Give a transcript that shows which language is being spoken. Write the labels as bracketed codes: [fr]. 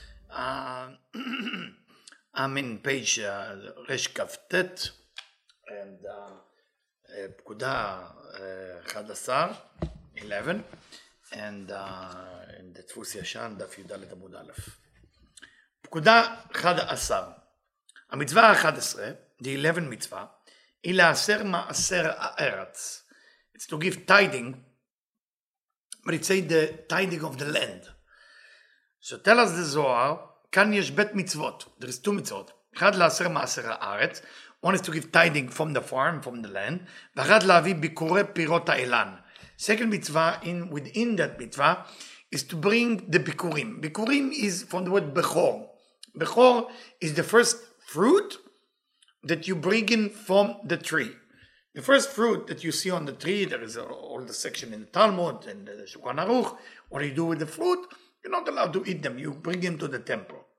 [en] I'm in page Resh Kaf Tet and Pkuda 11, and in the Tfus Yashan, Daf Yudalet Amud Alef. Pkuda 11. [he] המצווה ה-11, the 11 מצווה, היא לאסר מעשר הארץ. [en] It's to give tiding, but it's say the tiding of the land. So tell us the Zohar, [he] כאן יש בית מצוות, [en] there is two מצוות, [he] אחד לאסר מעשר הארץ, [en] one is to give tiding from the farm, from the land, [he] ואחד להביא ביקורי פירות האילן. [en] Second מצווה, in, within that מצווה, is to bring the ביקורים. ביקורים is from the word בכור. בכור is the first fruit that you bring in from the tree. The first fruit that you see on the tree, there is all the section in the Talmud and the Shulchan Aruch. What do you do with the fruit? You're not allowed to eat them. You bring them to the temple.